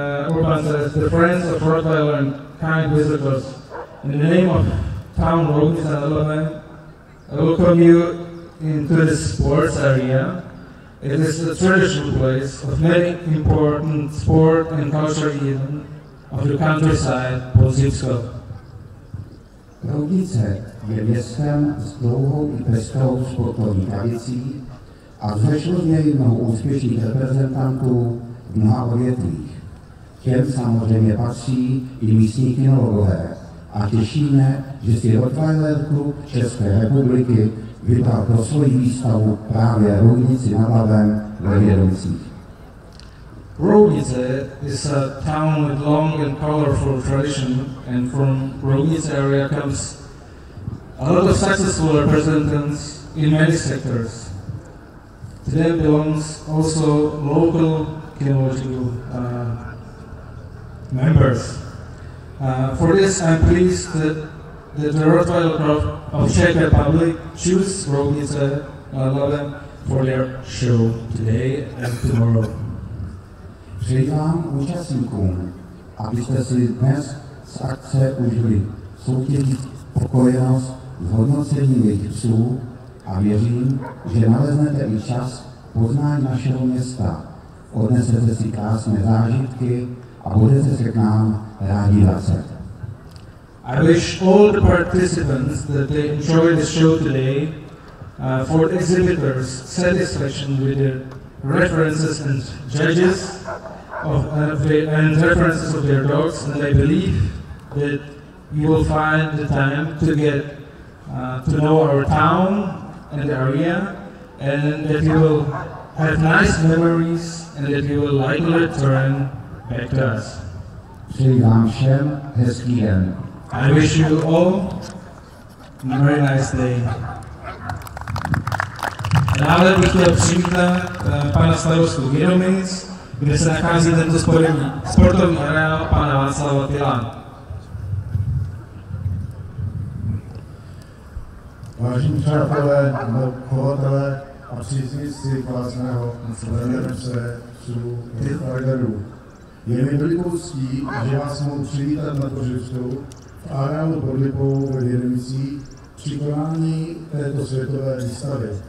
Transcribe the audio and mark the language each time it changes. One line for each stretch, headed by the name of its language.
English: Urbán says the friends of Rottweiler and kind visitors in the name of town Roudnice and Labem. I welcome you into the sports area. It is a traditional place of many important sport and culture events of the countryside, Polsko.
Czech: Roudnice je městem s dlouhou i pestrou sportovní tradicí a vzešlo z něj mnoho úspěšných reprezentantů v mnoha odvětvích. Těm samozřejmě patří i místní kinologové. A těšíme, že si Rottweiler klub České republiky vybral pro svoji výstavu právě Roudnici nad Labem ve Vědomicích.
English: Roudnice is a town with long and colorful tradition, and from Roudnice area comes a lot of successful representatives in many sectors. To them belongs also local kinological members. For this, I'm pleased that the Rottweiler Club of Czech Republic choose Roudnice nad Labem for their show today and tomorrow.
Czech: Přeji vám účastníkům, abyste si dnes z akce užili soutěží spokojenost s hodnocením jejich psů a věřím, že naleznete i čas poznání našeho města, odnesete si krásné zážitky a budete se k nám rádi vracet.
English: I wish all the participants that they enjoy the show today, for the exhibitors, satisfaction with their references and judges and references of their dogs, and I believe that you will find the time to get to know our town and the area, and that you will have nice memories, and that you will likely return back to us.
Czech: Přeji vám všem hezký den.
English: I wish you all a very nice day.
Czech: Dále bych chtěl přivítat pana starostu Vědomic, kde se nachází tento sportovní areál, pana Václava Tyla. Vážení přátelé, chovatelé a příznivci krásného Vědomce, psů, Tyfragerů, je mi velikou ctí, že vás mohu přivítat na Kořivsku, v areálu pod Lipou ve Vědomicích při konání této světové výstavy.